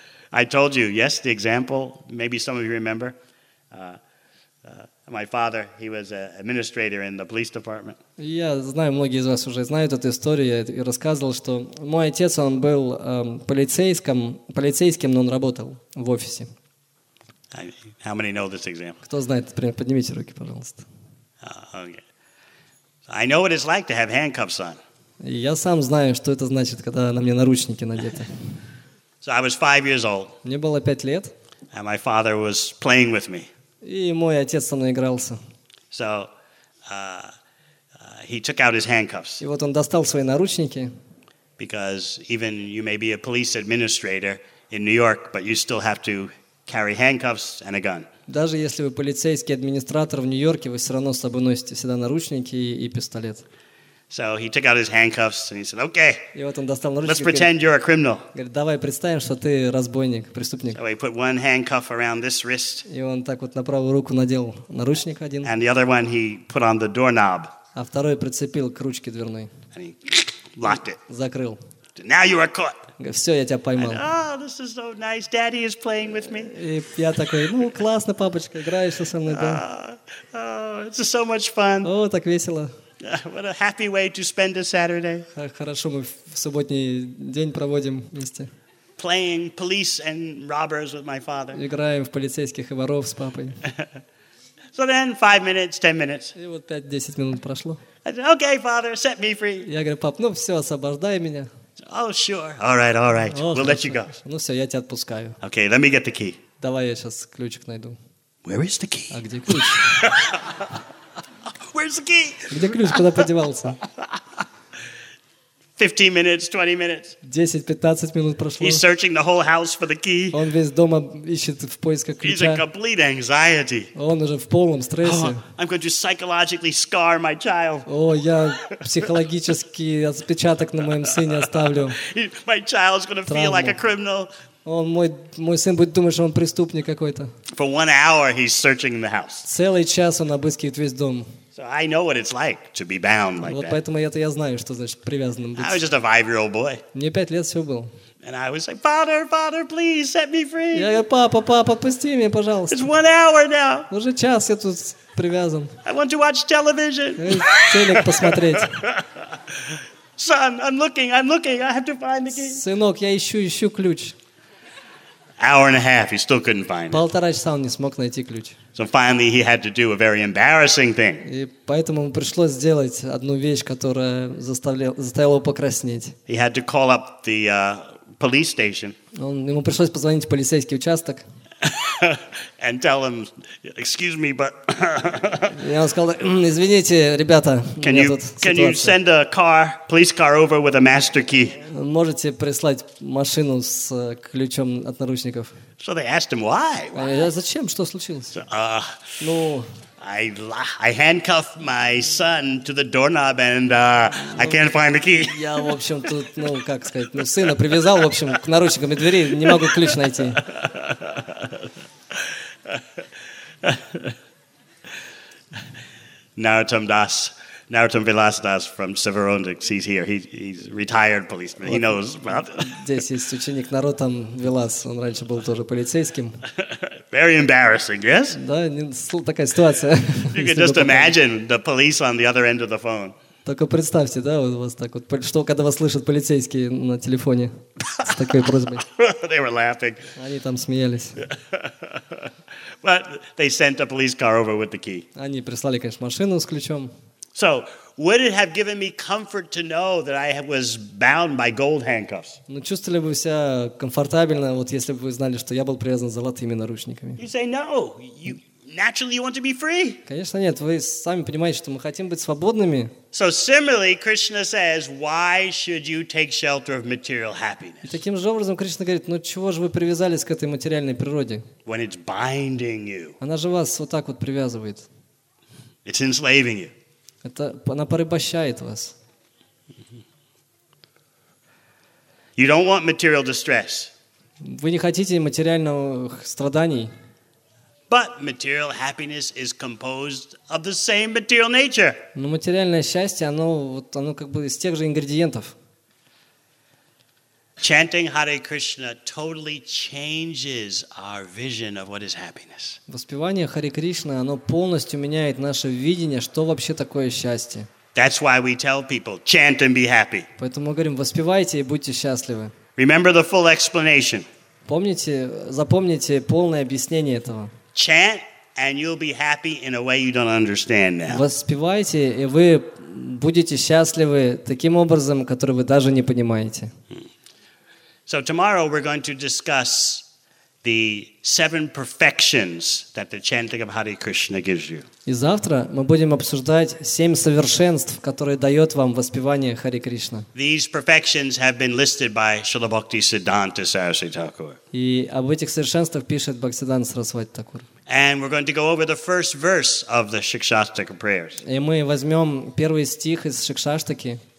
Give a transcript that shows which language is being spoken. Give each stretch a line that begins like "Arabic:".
English: I told you, yes, the example, maybe some of you remember. My father, he was an administrator in the police department.
Russian: Я знаю, многие из вас уже знают эту историю. Я рассказывал, что мой отец, он был полицейским, но он работал в офисе.
English: How many know this example?
Russian: Кто знает, например, поднимите руки, пожалуйста.
English: Okay. I know what it's like to have handcuffs on.
Russian: Я сам знаю, что это значит, когда на мне наручники надеты.
English: So I was 5 years old.
Russian: Мне было 5 лет.
English: And my father was playing with me.
Russian: И мой отец со мной игрался.
English: So he took out his handcuffs.
Russian: И вот он достал свои наручники.
English: Because even you may be a police administrator in New York, but you still have to carry handcuffs and a gun.
Russian: Даже если вы полицейский администратор в Нью-Йорке, вы все равно с собой носите всегда наручники и пистолет.
English: So he took out his handcuffs and he said, "Okay."
Russian: И вот он достал наручники.
English: Let's pretend you're a criminal.
Russian: Говорит, давай представим, что ты разбойник, преступник.
English: So he put one handcuff around this wrist.
Russian: И он так вот на правую руку надел наручник один.
English: And the other one he put on the doorknob.
Russian: А второй прицепил к ручке дверной.
English: And he locked it.
Russian: Закрыл.
English: Now you are caught.
Russian: Все, я тебя поймал.
English: This is so nice. Daddy is playing with me.
Russian: И я такой, ну классно, папочка, играешь со мной, да.
English: It's so much fun.
Russian: О, так весело.
English: What a happy way to spend a Saturday.
Russian: Хорошо, мы в субботний день проводим вместе.
English: Playing police and robbers with my father.
Russian: Играем в полицейских и воров с папой.
English: So then, 5 minutes, 10 minutes.
Russian: И вот 5-10 минут прошло.
English: I said, okay, father, set me free.
Russian: Я говорю, пап, ну все, освобождай меня.
English: Oh, sure. All right. Oh, we'll
Russian: хорошо.
English: Let you go.
Russian: Ну все, я тебя отпускаю.
English: Okay, let me get the key.
Russian: Давай я сейчас ключик найду.
English: Where is the key?
Russian: А где ключ?
English: Where's the key?
Russian: Где ключ, куда подевался?
English: 15 minutes, 20 minutes.
Russian: 10-15 минут прошло.
English: He's searching the whole house for the key.
Russian: Он весь дом ищет в поисках ключа.
English: He's in complete anxiety.
Russian: Он уже в полном стрессе.
English: Oh, I'm going to psychologically scar my child.
Russian: О, я психологический отпечаток на моем сыне оставлю.
English: My child's going to feel like a criminal.
Russian: Он, мой сын будет думать, что он преступник какой-то.
English: For 1 hour, he's searching the house.
Russian: Целый час он обыскивает весь дом.
English: I know what it's like to be bound like that.
Russian: Вот поэтому это я знаю, что значит привязанным быть.
English: I was just a 5-year-old boy.
Russian: Мне 5 лет всего было.
English: And I was like, Father, please set me free.
Russian: Я говорю, папа, отпусти меня, пожалуйста.
English: It's 1 hour now.
Russian: Уже час я тут привязан.
English: I want to watch television.
Russian: Телек посмотреть.
English: Son, I'm looking. I have to find the key.
Russian: Сынок, я ищу ключ.
English: Hour and a half, he still couldn't find it.
Russian: Полтора часа он не смог найти ключ.
English: So finally, he had to do a very embarrassing thing.
Russian: И поэтому ему пришлось сделать одну вещь, которая заставила его покраснеть.
English: He had to call up the police station.
Russian: Ему пришлось позвонить в полицейский участок.
English: And tell him, excuse me, but.
Russian: Я сказал, извините, ребята,
English: can you send a car, police car, over with a master key?
Russian: Можете прислать машину с ключом от наручников?
English: So they asked him why.
Russian: Зачем? Что случилось? Ну.
English: I handcuffed my son to the doorknob and I can't find the key.
Russian: Я в общем тут, ну как сказать, ну сына привязал в общем к наручникам и двери, не могу ключ найти.
English: Narottam Vilas Das from Severodvinsk, he's here. He's retired policeman.
Russian: Вот.
English: He knows about.
Russian: Здесь есть ученик Narottam Vilas. Он раньше был тоже полицейским.
English: Very embarrassing, yes?
Russian: Да, такая ситуация.
English: You can just imagine the police on the other end of the phone.
Russian: Только представьте, да, у вас так вот, что когда вас слышат полицейские на телефоне с такой просьбой.
English: They were laughing.
Russian: Они там смеялись.
English: But they sent a police car over with the key.
Russian: Они прислали, конечно, машину с ключом.
English: So, would it have given me comfort to know that I was bound by gold handcuffs?
Russian: Ну, чувствовали бы себя комфортабельно, вот если бы вы знали, что я был привязан золотыми наручниками.
English: You say no. You naturally you want to be free.
Russian: Конечно, нет. Вы сами понимаете, что мы хотим быть свободными.
English: So similarly, Krishna says, why should you take shelter of material happiness?
Russian: И таким же образом Кришна говорит, ну чего же вы привязались к этой материальной природе?
English: When it's binding you.
Russian: Она же вас вот так вот привязывает.
English: It's enslaving you.
Russian: Это она порабощает вас.
English: You don't want material distress.
Russian: Вы не хотите материальных страданий.
English: But material happiness is composed of the same material nature.
Russian: Но материальное счастье, оно как бы из тех же ингредиентов.
English: Chanting Hare Krishna totally changes our vision of what is happiness.
Russian: Воспевание Хари Кришны, оно полностью меняет наше видение, что вообще такое счастье.
English: That's why we tell people, chant and be happy.
Russian: Поэтому мы говорим, воспевайте и будьте счастливы.
English: Remember the full explanation.
Russian: Помните, запомните полное объяснение этого.
English: Chant and you'll be happy in a way you don't understand now.
Russian: Воспевайте, и вы будете счастливы таким образом, который вы даже не понимаете.
English: So tomorrow we're going to discuss the 7 perfections that the chanting of Hare Krishna gives you.
Russian: И завтра мы будем обсуждать 7 совершенств, которые дает вам воспевание Хари Кришна.
English: These perfections have been listed by Srila Bhaktisiddhanta Saraswati Thakur.
Russian: И об этих совершенствах пишет Бхактисиддханта Сарасвати Такур.
English: And we're going to go over the first verse of the Shikshashtaka prayers.
Russian: И мы возьмем первый стих из Шикшаштаки.